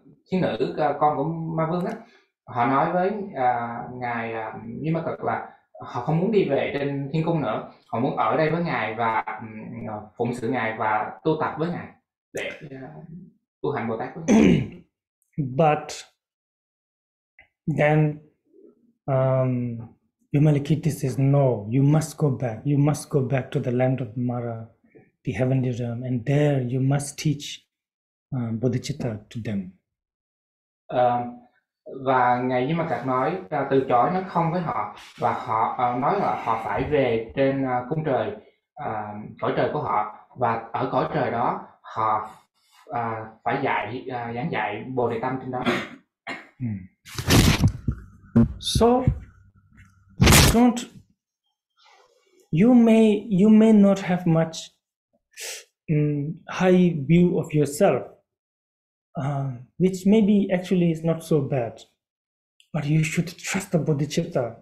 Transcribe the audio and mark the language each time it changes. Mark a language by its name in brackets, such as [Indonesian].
[Vietnamese] thiên nữ con của Ma Vương á, họ nói với ngài Duy Ma Cực là họ không muốn đi về trên thiên cung nữa. Họ muốn ở đây với ngài và phụng sự ngài và tu tập với ngài để tu hành Bồ Tát. [English] But then Vimalakirti says, no, you must go back. You must go back to the land of Mara, the heavenly realm, and there you must teach bodhicitta to them. [Vietnamese] Và ngài Duy Ma Cực nói từ chối nó không với họ và họ nói là họ phải về trên cung trời, cõi trời của họ, và ở cõi trời đó họ phải dạy giảng dạy Bồ Đề Tâm trên đó. [English] So don't, you may not have much high view of yourself, which maybe actually is not so bad, but you should trust the bodhicitta.